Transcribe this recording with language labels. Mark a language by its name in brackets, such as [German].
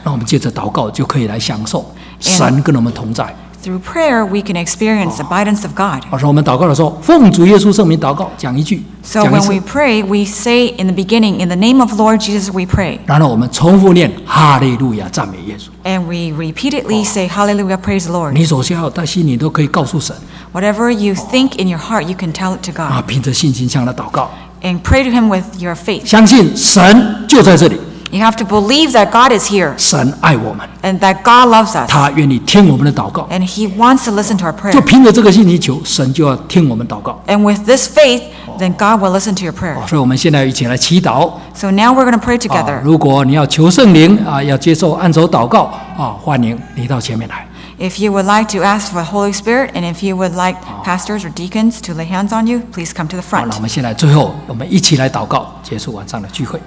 [Chinese] 那我们借着祷告就可以来享受神跟我们同在 [English] Through prayer we can experience the abundance of God [Chinese] 而是我们祷告的时候奉主耶稣圣名祷告讲一句 [English] So when we pray we say in the beginning in the name of Lord Jesus we pray [Chinese] 然后我们重复念哈利路亚赞美耶稣 [English] And we repeatedly say hallelujah praise the Lord [Chinese] 你首先要在心里都可以告诉神 [English] Whatever you think in your heart you can tell it to God [Chinese] 凭着信心向他祷告 [English] And pray to him with your faith [Chinese] 相信神就在这里 [English] You have to believe that God is here [Chinese] 神爱我们 [English] And that God loves us [Chinese] 他愿意听我们的祷告 [English] And he wants to listen to our prayer [Chinese] 就凭着这个信心求神就要听我们祷告 [English] And with this faith then God will listen to your prayer [Chinese] 所以我们现在一起来祈祷 [English] So now we're going to pray together [Chinese] 如果你要求圣灵要接受按手祷告欢迎你到前面来 [English] If you would like to ask for the Holy Spirit and if you would like pastors or deacons to lay hands on you please come to the front [Chinese] 那我们现在最后我们一起来祷告结束晚上的聚会